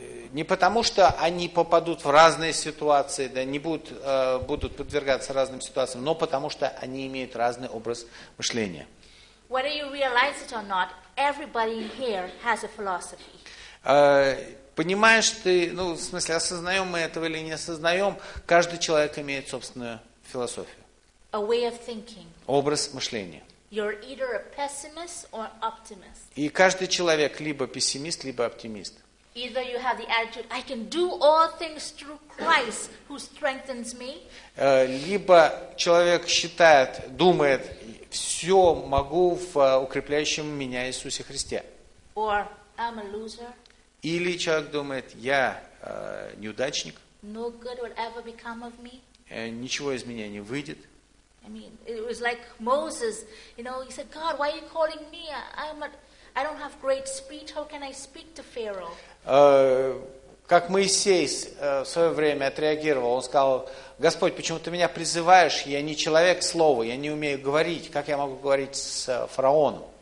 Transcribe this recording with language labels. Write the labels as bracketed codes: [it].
[ru] Не потому, что они попадут в разные ситуации, да, не будут, будут подвергаться разным ситуациям, но потому что они имеют разный образ мышления. [en] Whether you realize it or not, everybody here has a philosophy. [ru] Понимаешь ты, ну, в смысле, осознаем мы этого или не осознаем, каждый человек имеет собственную философию. [en] A way of thinking. [ru] Образ мышления. [en] You're either a pessimist or optimist. [ru] И каждый человек либо пессимист, либо оптимист. [en] Either you have the attitude, I can do all things through Christ who strengthens me. [ru] Либо человек считает, думает, все могу в укрепляющем меня Иисусе Христе. [en] Or I'm a loser. [ru] Или человек думает, я неудачник. [en] No good will ever become of me. [ru] Ничего из меня не выйдет. [en] I mean, it was like Moses, you know, he said, God, why are you calling me? I don't have great speech, how can I speak to Pharaoh? [ru] Как Моисей в свое время отреагировал, он сказал, Господь, почему ты меня призываешь? Я не человек слова, я не умею говорить. Как я могу говорить с фараоном?